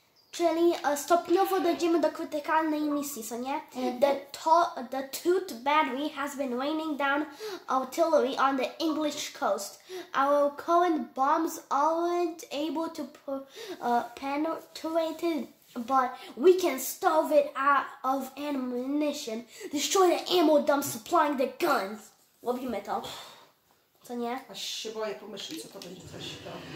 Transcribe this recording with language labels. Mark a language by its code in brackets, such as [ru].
[pl] Czyli stopniowo dojdziemy do krytykalnej misji, co nie? [en] The toot battery has been raining down artillery on the English coast. Our current bombs aren't able to penetrate it, but we can starve it out of ammunition. Destroy the ammo dump supplying the guns. [pl] Robimy to. Co nie? Aż się boję pomyśleć, co to będzie coś to.